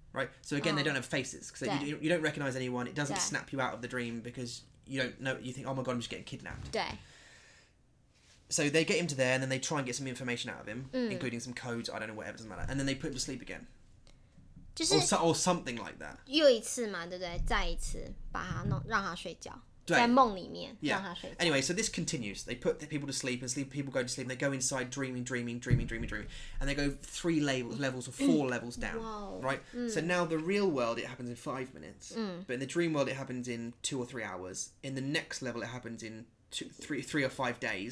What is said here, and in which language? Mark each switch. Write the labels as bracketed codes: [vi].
[en] Right, so again,、they don't have faces because you don't recognize anyone. It doesn't snap you out of the dream because you don't know. You think, oh my god, I'm just getting kidnapped. So they get him to there and then they try and get some information out of him,、 mm. including some codes. I don't know, whatever, doesn't matter. And then they put him to sleep again, [zh] 就是 [en] or something like that. [zh] 又一次嘛，对不对？再一次把他弄让他睡觉。对在梦里面、 [en] yeah. [zh] 让他睡觉 [en] Anyway, so this continues. They put the people to sleep and sleep. People go to sleep. And they go inside dreaming, dreaming, dreaming, dreaming, dreaming. And they go three levels or four levels down. Whoa. Right?、 Mm. So now the real world, it happens in 5 minutes.、 Mm. But in the dream world, it happens in 2 or 3 hours. In the next level, it happens in three or five days.、